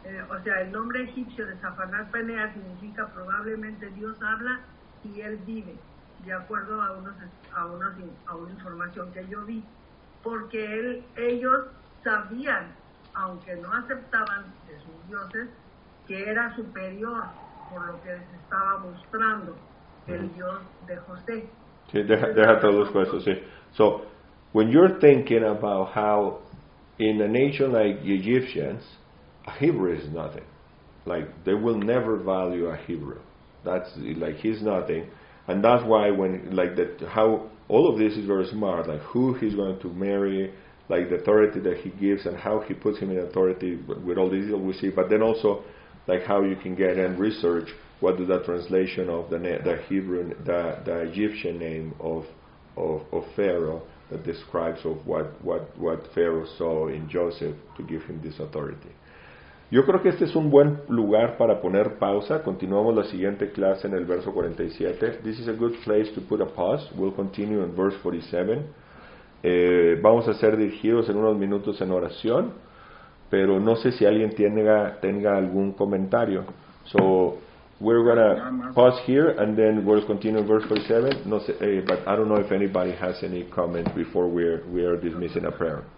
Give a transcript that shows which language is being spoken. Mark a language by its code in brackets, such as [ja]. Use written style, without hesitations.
[es] O sea, el nombre egipcio de Zafanat-Panea significa probablemente Dios habla y él vive, de acuerdo a una información que yo vi. Porque ellos sabían, aunque no aceptaban de sus dioses, que era superior por lo que les estaba mostrando el Dios de José. Sí, deja traduzco eso, sí. [en] So, when you're thinking about how in a nation like the Egyptians, a Hebrew is nothing. Like, they will never value a Hebrew. That's, like, he's nothing. And that's why when, like, that, how all of this is very smart, like, who he's going to marry, like, the authority that he gives and how he puts him in authority with all these we see. But then also, like, how you can get and research what is the translation of the Hebrew, the Egyptian name of Pharaoh that describes of what Pharaoh saw in Joseph to give him this authority. [es] Yo creo que este es un buen lugar para poner pausa. Continuamos la siguiente clase en el verso 47. [en] This is a good place to put a pause. We'll continue in verse 47. [es] Vamos a ser dirigidos en unos minutos en oración. pero no sé si alguien tenga algún comentario. [en] So we're going to pause here and then we'll continue verse 47. [es] No sé, [en] but I don't know if anybody has any comment before we are dismissing a prayer.